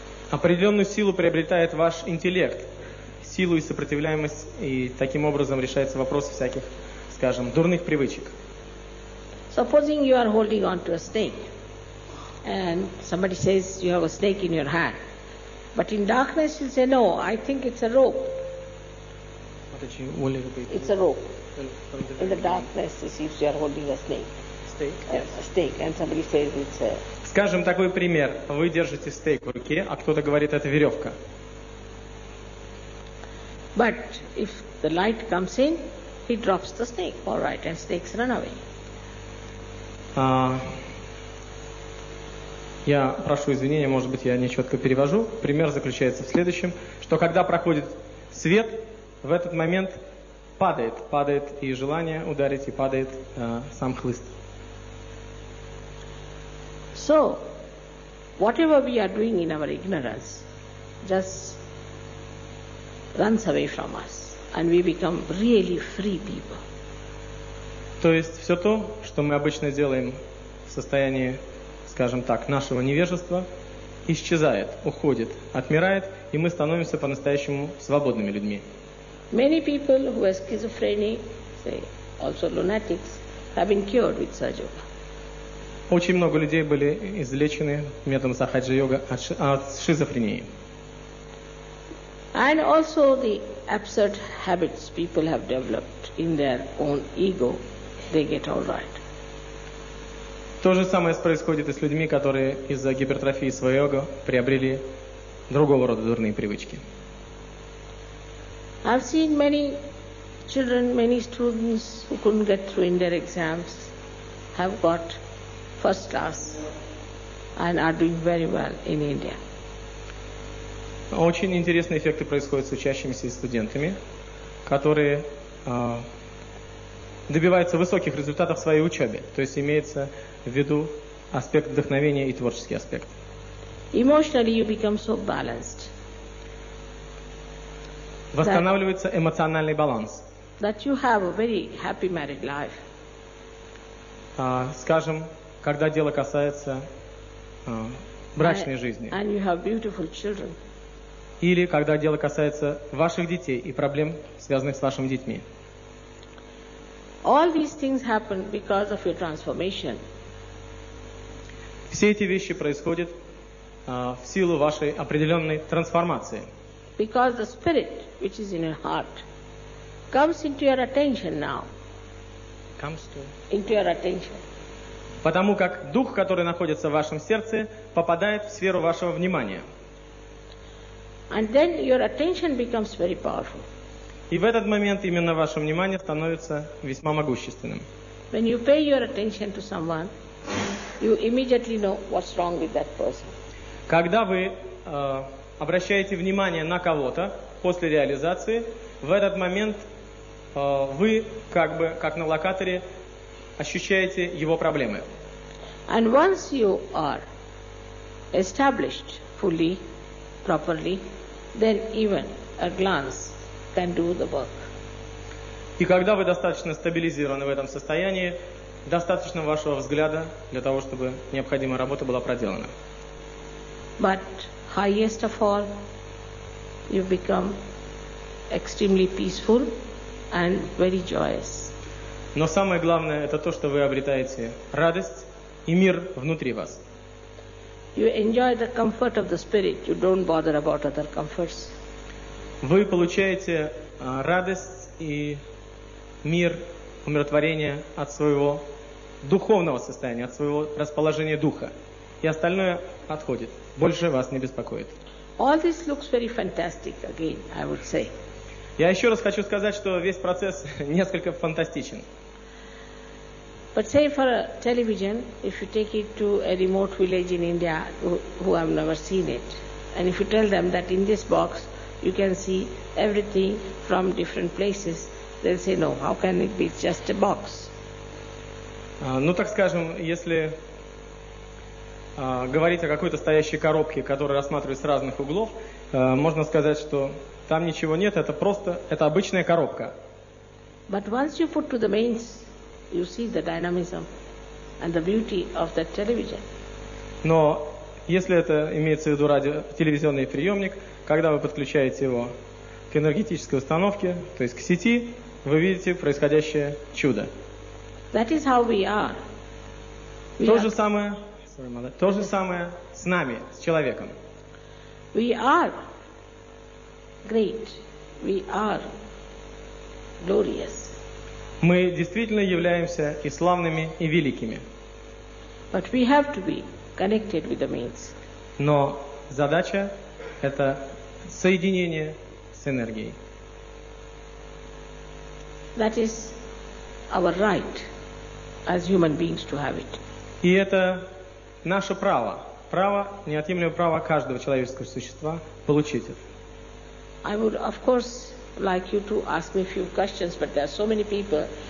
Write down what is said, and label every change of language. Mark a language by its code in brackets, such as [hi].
[ru] Определенную силу приобретает ваш интеллект, силу и сопротивляемость, и таким образом решаются вопросы всяких, скажем, дурных привычек. [en] Supposing you are holding on to a snake, and somebody says you have a snake in your hand, but in darkness you say, no, I think it's a rope. It's a rope. In the darkness it seems you are holding a snake. Steak, yes. A steak, and somebody says it's a... [ru] Скажем такой пример. Вы держите стейк в руке, а кто-то говорит, это веревка. [en] But if the light comes in, he drops the snake, all right, and snakes run away. [ru] Я прошу извинения, может быть, я нечетко перевожу. Пример заключается в следующем, что когда проходит свет, в этот момент падает и желание ударить, и падает сам хлыст. [en] So, whatever we are doing in our ignorance just runs away from us, and we become really free people. [ru] То есть все то, что мы обычно делаем в состоянии, скажем так, нашего невежества, исчезает, уходит, отмирает, и мы становимся по-настоящему свободными людьми. [en] Many people who are schizophrenic, say also lunatics, have been cured with Sahaja. [ru] Очень много людей были излечены методом Сахаджа-йога от шизофрении. [en] And also the absurd habits people have developed in their own ego, they get all right. [ru] То же самое происходит и с людьми, которые из-за гипертрофии своего эго приобрели другого рода дурные привычки. [en] I've seen many children, many students who couldn't get through in their exams have got first class and are doing very well in India. [ru] Очень интересные эффекты происходят с учащимися и студентами, которые добивается высоких результатов в своей учебе. То есть имеется в виду аспект вдохновения и творческий аспект. [en] Emotionally you become so balanced. [ru] Восстанавливается эмоциональный баланс. [en] That you have a very happy married life. [ru] Скажем, когда дело касается брачной жизни. [en] And you have beautiful children. [ru] Или когда дело касается ваших детей и проблем, связанных с вашими детьми. [en] All these things happen because of your transformation. [ru] Все эти вещи происходят в силу вашей определенной трансформации. [en] Because the spirit, which is in your heart, comes into your attention now. Comes to. Into your attention. [ru] Потому как дух, который находится в вашем сердце, попадает в сферу вашего внимания. [en] And then your attention becomes very powerful. [ru] И в этот момент именно ваше внимание становится весьма могущественным. [en] When you pay your attention to someone, you immediately know what's wrong with that person. [ru] Когда вы обращаете внимание на кого-то после реализации, в этот момент вы как бы как на локаторе ощущаете его проблемы. [en] And once you are established fully, properly, then even a glance can do the work. [ru] И когда вы достаточно стабилизированы в этом состоянии, достаточно вашего взгляда для того, чтобы необходимая работа была проделана. [en] But highest of all, you become extremely peaceful and very joyous. [ru] Но самое главное это то, что вы обретаете радость и мир внутри вас. [en] You enjoy the comfort of the spirit. You don't bother about other comforts. [ru] Вы получаете радость и мир, умиротворение от своего духовного состояния, от своего расположения духа. И остальное отходит. Больше вас не беспокоит. [en] All this looks very fantastic again, I would say. [ru] Я еще раз хочу сказать, что весь процесс несколько фантастичен. [en] But say for a television, if you take it to a remote village in India who have never seen it, and if you tell them that in this box you can see everything from different places, they'll say, no, how can it be just a box? [ru] Ну так скажем, если говорить о какой-то стоящей коробке, которая рассматривается с разных углов, можно сказать, что там ничего нет, это просто, это обычная коробка. [en] But once you put to the mains, you see the dynamism and the beauty of that television. [ru] Но если это имеется в виду радио, телевизионный приемник, когда вы подключаете его к энергетической установке, то есть к сети, вы видите происходящее чудо. [en] That is how we are. [ru] То же самое с нами, с человеком. [en] We are great. We are glorious. [ru] Мы действительно являемся и славными, и великими. [en] But we have to be connected with the means. [ru] Но задача — это соединение с энергией. [en] That is our right as human beings to have it. [ru] И это наше право, право, неотъемлемое право каждого человеческого существа получить это. [en] I would, of course, like you to ask me a few questions, but there are so many people.